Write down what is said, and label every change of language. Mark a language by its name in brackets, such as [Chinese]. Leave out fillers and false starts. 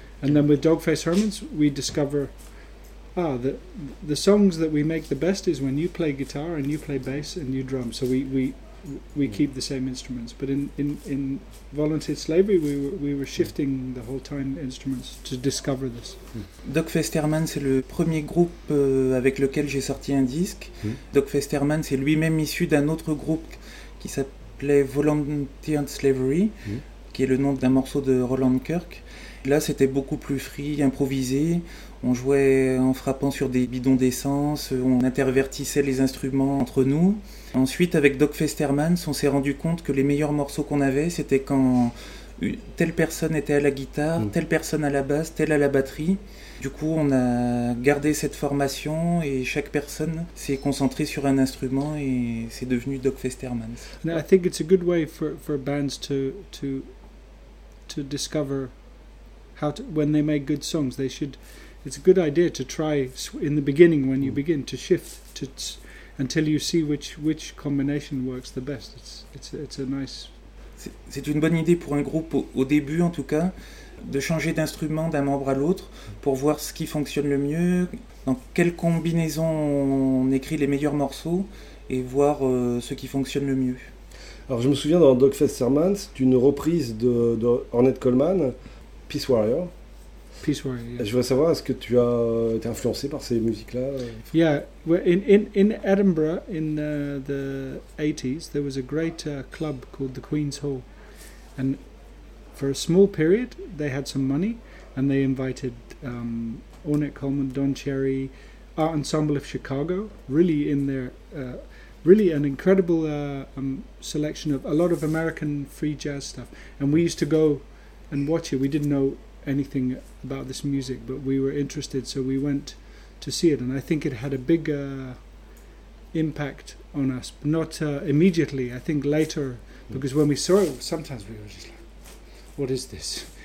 [English] And then with Dogface Hermans, we discover the songs that we make the best is when you play guitar and you play bass and you drum. So we keep the same instruments. But in Volunteered Slavery, we were shifting the whole time instruments to discover this. [French] Doc Festerman, c'est le premier groupe avec lequel j'ai sorti un disque. Doc Festerman, c'est lui-même issu d'un autre groupe qui s'appelait Volunteered Slavery, qui est le nom d'un morceau de Roland Kirk. Là, c'était beaucoup plus free, improvisé. On jouait en frappant sur des bidons d'essence, on intervertissait les instruments entre nous. Ensuite, avec Doc Festermans, on s'est rendu compte que les meilleurs morceaux qu'on avait, c'était quand telle personne était à la guitare, telle personne à la basse, telle à la batterie. Du coup, on a gardé cette formation et chaque personne s'est concentrée sur un instrument et c'est devenu Doc Festermans. Je pense que c'est une bonne façon pour les bandes de découvrir quand ils font de bonnes chansons. Ils devraient... [English] It's a good idea to try in the beginning when you begin to shift to until you see which combination works the best. It's a nice. [French] C'est une bonne idée pour un groupe au début en tout cas de changer d'instrument d'un membre à l'autre pour voir ce qui fonctionne le mieux, dans quelle combinaison on écrit les meilleurs morceaux et voir ce qui fonctionne le mieux. Alors je me souviens dans Doc Festermans d'une reprise de Ornette Coleman, Peace Warrior. [English] Peace Warrior. Yeah. [French] Je voudrais savoir, est-ce que tu as été influencé par ces musiques-là? [English] Yeah, well, in Edinburgh in the 80s, there was a great club called the Queen's Hall, and for a small period, they had some money, and they invited Ornette Coleman, Don Cherry, Art Ensemble of Chicago, really in their really an incredible selection of a lot of American free jazz stuff, and we used to go and watch it. We didn't know anything about this music, but we were interested, so we went to see it, and I think it had a big impact on us, not immediately, I think later, because when we saw it, sometimes we were just like, what is this?